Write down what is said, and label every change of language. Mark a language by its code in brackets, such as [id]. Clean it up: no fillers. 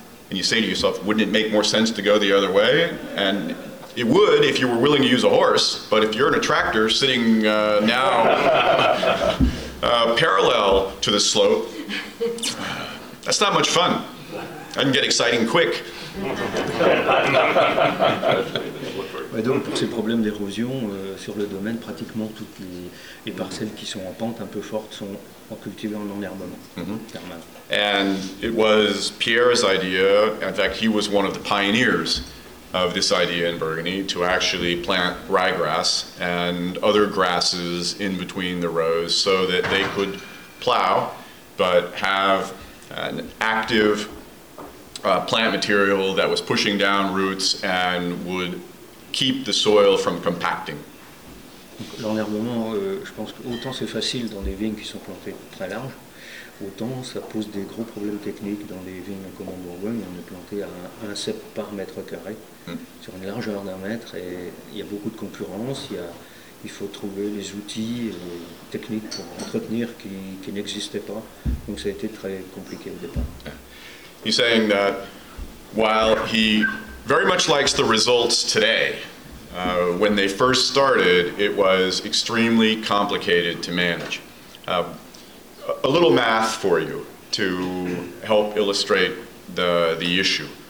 [en] And you say to yourself, wouldn't it make more sense to go the other way? And it would if you were willing to use a horse, but if you're in a tractor sitting now parallel to the slope, that's not much fun. I can get exciting quick. [fr] Et donc, pour ces problèmes d'érosion sur le domaine, pratiquement toutes les parcelles qui sont en pente un peu forte sont en cultivées en enherbement permanent. Mm-hmm. [en] And it was Pierre's idea, in fact, he was one of the pioneers of this idea in Burgundy, to actually plant ryegrass and other grasses in between the rows so that they could plow but have an active plant material that was pushing down roots and would keep the soil from compacting. [fr] L'enherbement, je pense que autant c'est facile dans des vignes qui sont plantées très larges, autant ça pose des gros problèmes techniques dans des vignes comme en Bourgogne, on est planté à un cep par mètre carré, sur une largeur d'un mètre, et il y a beaucoup de concurrence, il faut trouver les outils techniques pour entretenir qui n'existaient pas, donc ça a été très compliqué au départ. [en] He's saying that while he very much likes the results today, when they first started, it was extremely complicated to manage. A little math for you to help illustrate the issue.